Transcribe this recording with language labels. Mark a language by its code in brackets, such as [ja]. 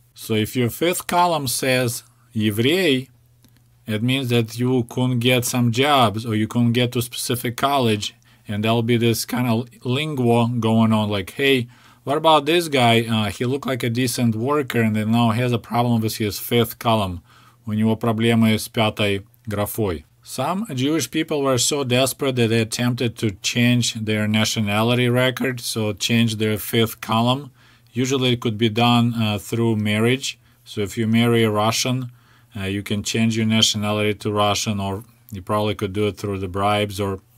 [en] So if your fifth column says еврей, it means that you couldn't get some jobs or you couldn't get to a specific college, and there'll be this kind of lingua going on, like, hey, what about this guy? He looked like a decent worker, and then now he has a problem with his fifth column. [ru] У него проблемы с пятой графой. [en] Some Jewish people were so desperate that they attempted to change their nationality record, so change their fifth column. Usually it could be done through marriage. So if you marry a Russian, you can change your nationality to Russian, or you probably could do it through the bribes or